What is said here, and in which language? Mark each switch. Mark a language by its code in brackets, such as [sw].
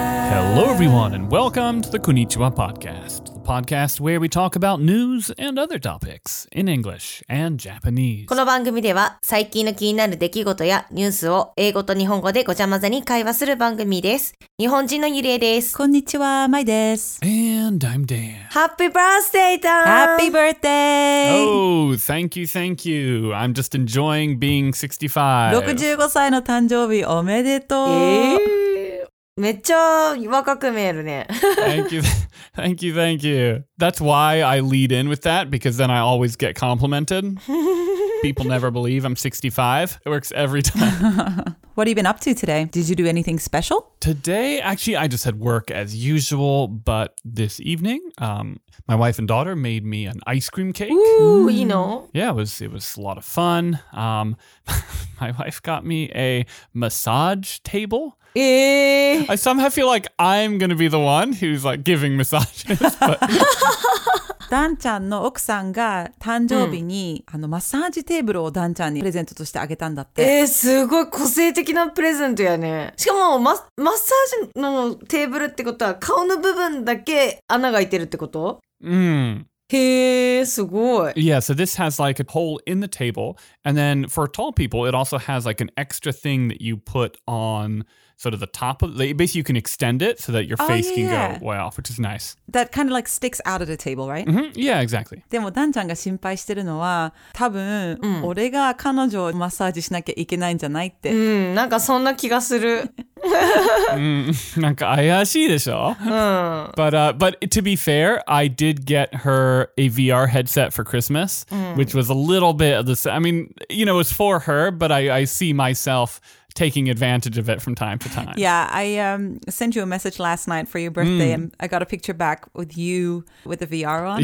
[en] Hello, everyone, and welcome to the Konnichiwa Podcast, the podcast where we talk about news and other topics in English and Japanese. [ja] この番組では最近の気になる出来事やニュースを英語と日本語でごちゃ混ぜに会話する番組です。日本人のゆりえです。こんにちは、まいです。 [en] And I'm Dan. Happy birthday, Dan! Happy birthday! Oh, thank you, thank you. I'm just enjoying being 65. [ja] 65歳の誕生日おめでとう。めっちゃ若く見えるね。 [en] Thank you, thank you, thank you. That's why I lead in with that, because then I always get complimented. People never believe I'm 65. It works every time. What have you been up to today? Did you do anything special? Today, actually, I just had work as usual, but this evening, my wife and daughter made me an ice cream cake. Ooh, you know. Yeah, it was a lot of fun. My wife got me a massage table. I somehow feel like I'm going to be the one who's like giving massages. [ja] Dan-chan の奥さんが誕生日に、うん、あのマッサージテーブルを Dan-chan にプレゼントとしてあげたんだって。すごい個性的なプレゼントやね。しかも マッサージのテーブルってことは顔の部分だけ穴が開いてるってこと？うん。へえ、すごい。 [en] Yeah, so this has like a hole in the table, and then for tall people, it also has like an extra thing that you put on sort of the top of, basically you can extend it so that your face can go way off, which is nice. That kind of like sticks out of the table, right? Mm-hmm. Yeah, exactly. [ja] でもダンちゃんが心配してるのは、多分、うん、俺が彼女をマッサージしなきゃいけないんじゃないって。うん、なんかそんな気がする。なんか怪しいでしょ? [en] But to be fair, I did get her a VR headset for Christmas, which was a little bit of the same. I mean, you know, it's for her, but I see myself taking advantage of it from time to time. Yeah, I sent you a message last night for your birthday, and I got a picture back with you with the VR on.